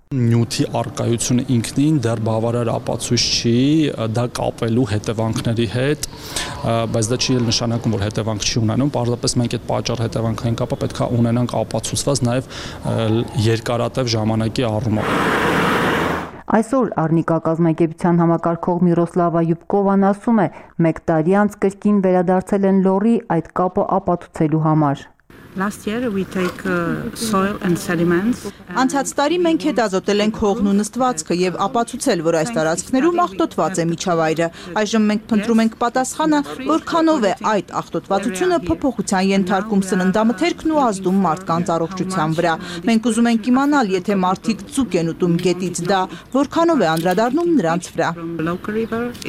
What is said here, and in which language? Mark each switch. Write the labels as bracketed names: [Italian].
[Armenian] Նյութի առկայությունը ինքնին դեռ բավարար ապացույց չի դա կապելու հետևանքների հետ, բայց դա չի էլ նշանակում, որ հետևանք չի ունենում, պարզապես մենք այդ պատճառ հետևանքային կապը պետք է ունենանք ապացուցված նաև երկարատև ժամանակի առումով։ Այսօր Արնիկա կազմակերպության համակարգող Միրոսլավա Յուբկովան ասում է, մեկ տարի անց կրկին վերադարձել են լոռի այդ կապը ապացուցելու համար։ [English] Last year we take soil and sediments. [Armenian] Անցած տարի մենք հետազոտել ենք հողն ու նստվածքը եւ ապացուցել, որ այս տարածքներում աղտոտված է միջավայրը։ Այժմ մենք փնտրում ենք պատասխանը, որքանով է այդ աղտոտվածությունը փոփոխության ենթարկում սննդամթերքն ու ազդում մարդկանց առողջության վրա։ Մենք ուզում ենք իմանալ, եթե մարդիկ ծուկ են ուտում գետից դա, որքանով է անդրադառնում նրանց վրա։